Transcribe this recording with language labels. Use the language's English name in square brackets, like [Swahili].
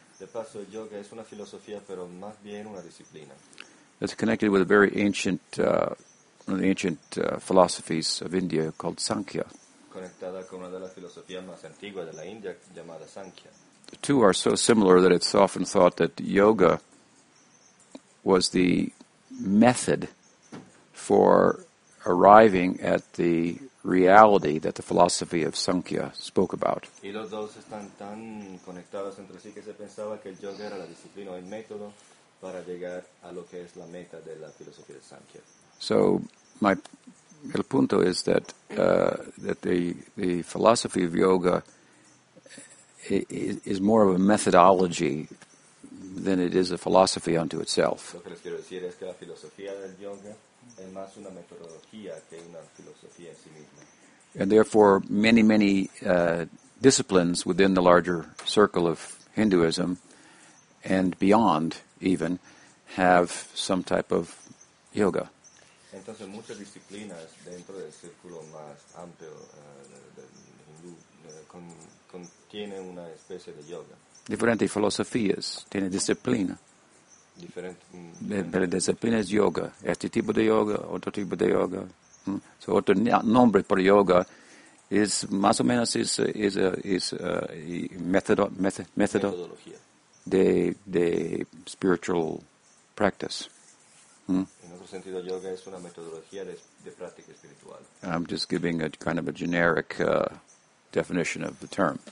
[Spanish] De paso, yoga es una filosofía, pero más bien una disciplina. [English] It's connected with a very ancient, one of the ancient philosophies of India called Sankhya. [Spanish] Conectada con una de las filosofías más antiguas de la India llamada Sankhya. [English] The two are so similar that it's often thought that yoga was the method for arriving at the reality that the philosophy of Sankhya spoke about. [Spanish] Y los dos están tan conectados entre sí que se pensaba que el yoga era la disciplina, el método para llegar a lo que es la meta de la filosofía de Sankhya. [English] So my [Spanish] el punto [English] is that that the philosophy of yoga is more of a methodology than it is a philosophy unto itself. [Spanish] Lo que les quiero decir es que la filosofía del yoga es más una metodología que una filosofía en sí misma. [English] And therefore, many disciplines within the larger circle of Hinduism and beyond even have some type of yoga. [Spanish] Entonces, muchas disciplinas dentro del círculo más amplio del hindú contiene una especie de yoga. Diferentes filosofías tienen disciplina. Diferentes disciplinas yoga. Este tipo de yoga, otro tipo de yoga. So otro nombre para yoga es más o menos metodología [English] de spiritual practice. [Spanish] En otro sentido, yoga es una metodología de práctica espiritual. [English] I'm just giving a kind of a generic definition of the term.